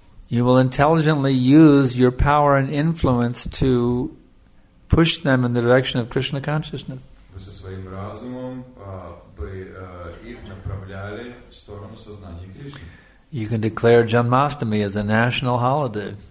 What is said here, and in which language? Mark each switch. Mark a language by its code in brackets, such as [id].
[en] You will intelligently use your power and influence to push them in the direction of Krishna consciousness. [ru] Вы со своим разумом бы их направляли в сторону сознания Кришны. [en] You can declare Janmashtami as a national holiday.